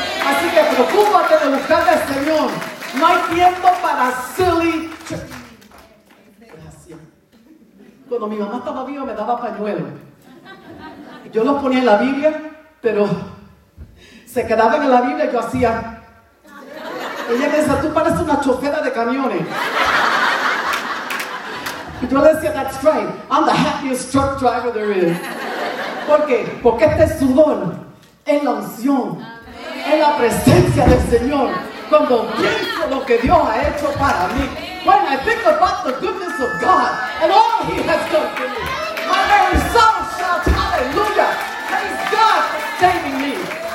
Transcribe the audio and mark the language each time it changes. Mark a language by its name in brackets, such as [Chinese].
[Spanish] Así que preocúpate de buscar al Señor. No hay tiempo para silly. Gracias. Cuando mi mamá estaba viva, me daba pañuelos. Yo los ponía en la Biblia, pero se quedaban en la Biblia y yo hacía. Ella me decía, tú pareces una chofera de camiones. Y yo le decía, [English] that's right, I'm the happiest truck driver there is. [Spanish] ¿Por qué? Porque este sudor es la unción, es la presencia del Señor. Cuando pienso lo que Dios ha hecho para mí, [English] when I think about the goodness of God and all He has done for me, my very soul shouts hallelujah, praise God for saving me.